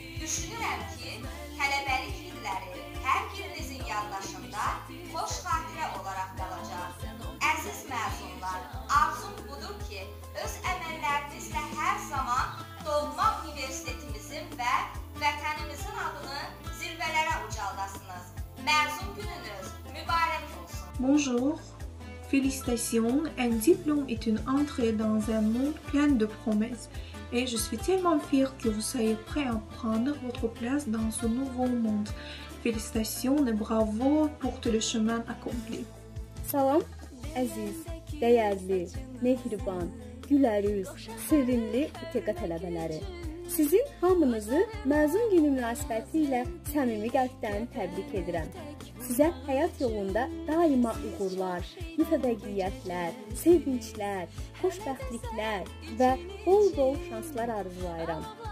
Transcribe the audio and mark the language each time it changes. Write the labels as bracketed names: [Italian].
[Azerbaijani] Düşünürəm ki, tələbəlik illəri hər birinizin yaddaşında xoş xatirə olaraq qalacaq. Əziz məzunlar, arzum budur ki, öz əməllərinizlə hər zaman doğma universitetimizin və vətənimizin adını zirvələrə ucaldasınız. Məzun gününüz mübarək olsun. [French] Bonjour. Félicitations, un diplôme est une entrée dans un monde plein de promesses et je suis tellement fière que vous soyez prêt à prendre votre place dans ce nouveau monde. Félicitations et bravo pour tout le chemin accompli. [Azerbaijani] Salam, aziz, değerli, mehriban, gülərüz, sevimli İTK tələbələri. Sizin hamınızı məzun günü münasibətilə səmimi qəlbdən təbrik edirəm. Sizə həyat yolunda daima uğurlar, mütəvəqqiyyətlər, sevinçlər, xoşbəxtliklər və bol-bol şanslar arzulayıram.